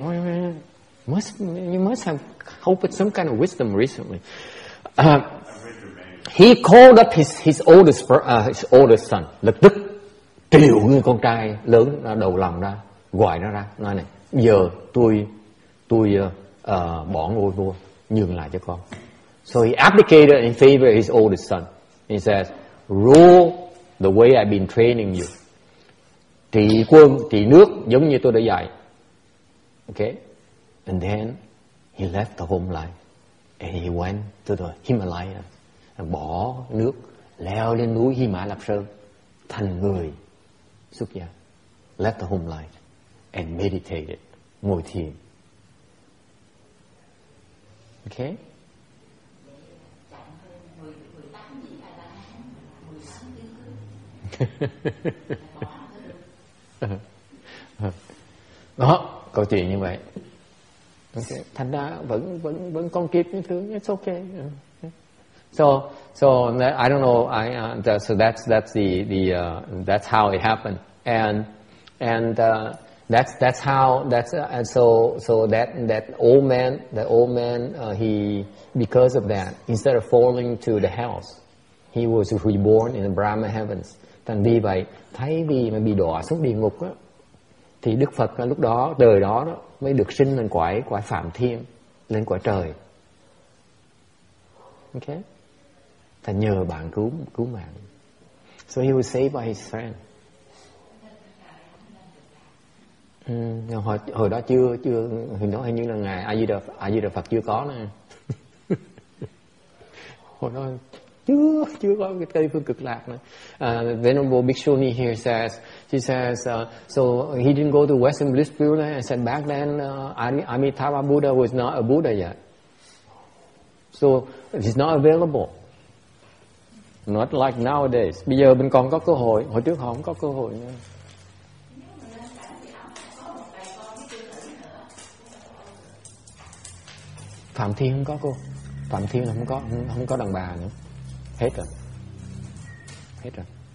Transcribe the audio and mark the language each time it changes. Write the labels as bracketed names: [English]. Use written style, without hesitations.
[English] You must have opened some kind of wisdom recently. He called up his oldest son. [Vietnamese] Lập tức triệu người con trai lớn đầu lòng ra. Gọi nó ra, nói này, giờ tôi bỏ ngôi vua, nhường lại cho con. [English] So he abdicated in favor of his oldest son. He says, rule the way I've been training you. [Vietnamese] Trị quân, trị nước, giống như tôi đã dạy. Okay? [English] And then he left the home life. And he went to the Himalaya. [Vietnamese] Bỏ nước, leo lên núi Hy Mã Lạp Sơn, thành người xuất gia. [English] Left the home life. And meditated, [Vietnamese] ngồi thiền. [English] Okay? [Vietnamese] Đó, câu chuyện như vậy. Okay. Thành ra vẫn còn kịp như thường. [English] It's okay. So I don't know. That's how it happened. That old man, he, because of that, instead of falling to the hells, he was reborn in the Brahma heavens. [Vietnamese] Thành vì vậy, thay vì mà bị đọa xuống địa ngục á, thì Đức Phật lúc đó, đời đó đó, mới được sinh lên quả Phạm Thiên, lên quả trời. [English] Okay? [Vietnamese] Thành nhờ bạn cứu mạng. [English] So he was saved by his friend. [Vietnamese] Hồi đó chưa hồi đó hình như là ngài A Di Đà Phật chưa có nè. Hồi đó chưa có cái Tây Phương Cực Lạc nữa. [English] Venerable Bhikshuni here says, she says, so he didn't go to Western Buddhist Pure and said back then Amitabha Buddha was not a Buddha yet, so he's not available, not like nowadays. [Vietnamese] Bây giờ mình còn có cơ hội, hồi trước họ không có cơ hội nữa. Phật Phạm Thiên không có cô. Phạm Thiên là không có, không có đàn bà nữa. Hết rồi. Hết rồi.